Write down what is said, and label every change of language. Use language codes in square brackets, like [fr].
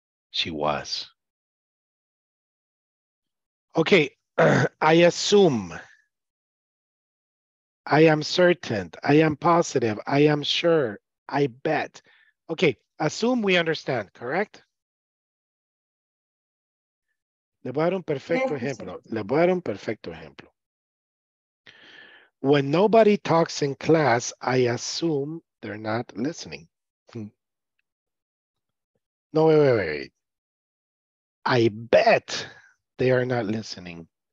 [en] She was. Okay, I assume. I am certain, I am positive, I am sure, I bet. Okay, assume we understand, correct? [es] Le voy a dar un perfecto ejemplo. Le voy a dar un perfecto ejemplo. [en] When nobody talks in class, I assume they're not listening. No, wait. I bet they are not listening.